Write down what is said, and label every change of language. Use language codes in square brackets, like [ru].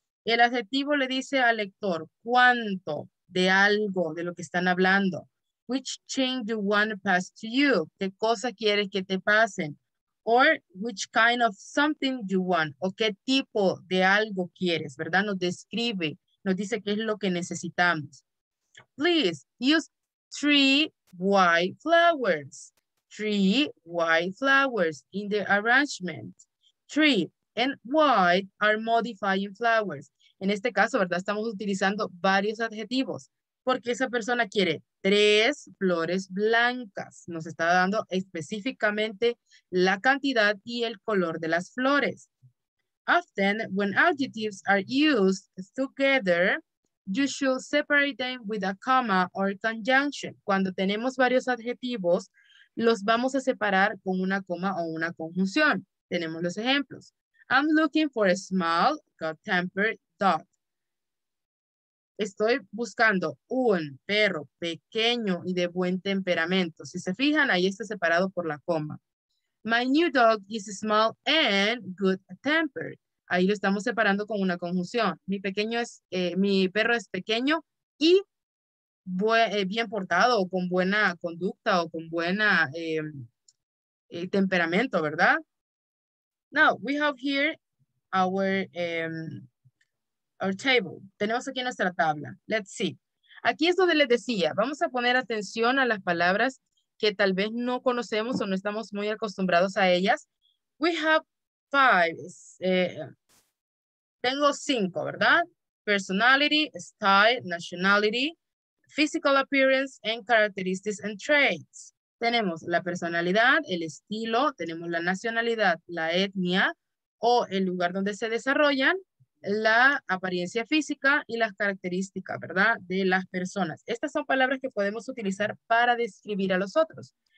[es] El adjetivo le dice al lector cuánto de algo, de lo que están hablando. [en] Which thing do you want to pass to you? [es] ¿Qué cosa quieres que te pasen? [en] Or which kind of something you want? [es] ¿O qué tipo de algo quieres, verdad? Nos describe, nos dice qué es lo que necesitamos. [en] Please use three white flowers. Three white flowers in the arrangement. Three and white are modifying flowers. [es] En este caso, ¿verdad? Estamos utilizando varios adjetivos porque esa persona quiere tres flores blancas. Nos está dando específicamente la cantidad y el color de las flores. [en] Often, when adjectives are used together, you should separate them with a comma or conjunction. [es] Cuando tenemos varios adjetivos, los vamos a separar con una coma o una conjunción. Tenemos los ejemplos. [en] I'm looking for a small, good-tempered dog. [es] Estoy buscando un perro pequeño y de buen temperamento. Si se fijan, ahí está separado por la coma. [en] My new dog is small and good-tempered. [es] Ahí lo estamos separando con una conjunción. Mi perro es pequeño y bien portado, con buena conducta o con buena temperamento, ¿verdad? [en] Now, we have here our table. [es] Tenemos aquí nuestra tabla. [en] Let's see. [es] Aquí es donde les decía, vamos a poner atención a las palabras que tal vez no conocemos o no estamos muy acostumbrados a ellas. [en] We have five. [es] Tengo cinco, ¿verdad? [en] Personality, style, nationality, physical appearance, and characteristics and traits. [es] Tenemos la personalidad, el estilo, tenemos la nacionalidad, la etnia o el lugar donde se desarrollan, la apariencia física y las características, ¿verdad?, de las personas. Estas son palabras que podemos utilizar para describir a los otros.